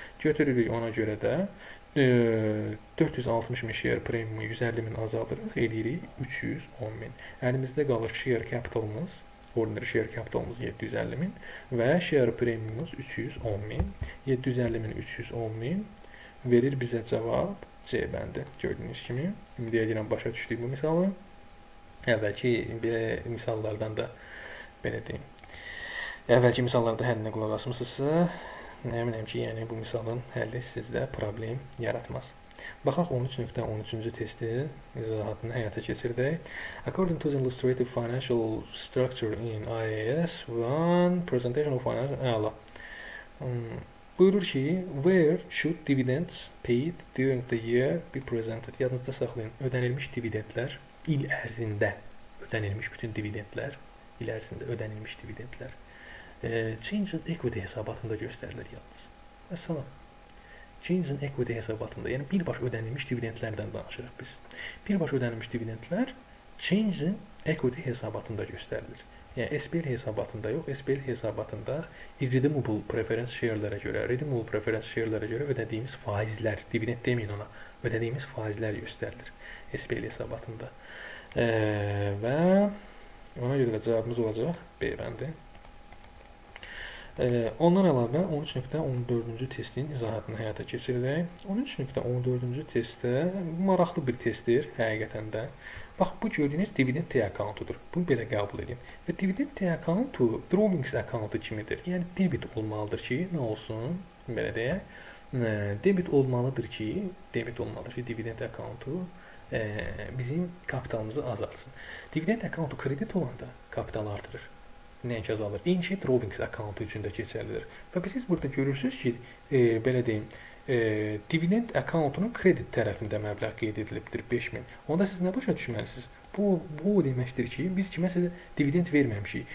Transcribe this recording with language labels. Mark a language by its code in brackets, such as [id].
[az] Götürürük ona görə də 460.000 share premiumu 150.000 azaldırıq, eləyirik 310.000. Əlimizdə qalır share capitalımız, ordinary share capitalımız 750.000 və share premiumumuz 310.000. 750.000 310.000 verir bizə cavab C bəndi. Gördüyünüz kimi, ümid edirəm başa düşdük bu misalı. Əvvəlki misallardan da belə deyim. Əvvəlki misallarda həllinə qulaq asmışsınızsa, əminəm ki, yəni bu misalın həlli sizdə problem yaratmaz. Baxaq 13.13-cü testi izahatını həyata keçirdik. [en] According to the illustrative financial structure in IAS 1 presentation of financial... [az] Buyurur ki, [en] where should dividends paid during the year be presented? [az] Yadınızda saxlayın, ödənilmiş dividendlər il ərzində, ödənilmiş bütün dividendlər il ərzində ödənilmiş dividendlər. Change in equity hesabatında göstərilir yalnız. Məsələn, change in equity hesabatında, yəni birbaş ödənilmiş dividendlərdən danışırıq biz. Birbaş ödənilmiş dividendlər change in equity hesabatında göstərilir. Yəni, SPL hesabatında yox, SPL hesabatında redeemable preference share-lərə görə, redeemable preference share-lərə görə ödədiyimiz faizlər, dividend deməyin ona, ödədiyimiz faizlər göstərilir SPL hesabatında. Və ona görə də cavabımız olacaq B bəndi. Ondan əlavə 13.14-cü testin izahatını həyata keçirdik. 13.14-cü testdə maraqlı bir testdir həqiqətən də. Bax, bu gördüyünüz dividend T accountudur. Bunu belə qəbul edin. Və dividend T accountu drawings accountu kimidir. Yəni, debit olmalıdır ki, nə olsun, belə deyək. Debit olmalıdır ki, dividend accountu bizim kapitalımızı azaltsın. Dividend accountu kredit olanda kapital artırır. Nəyək azalır? İnşi drawings accountu üçün də keçərlidir. Və siz burada görürsünüz ki, belə deyim, dividend accountunun kredit tərəfində məbləq qeyd edilibdir 5000. Onda siz nə başa düşməlisiniz? Bu deməkdir ki, biz ki, məsələn, dividend verməmişik.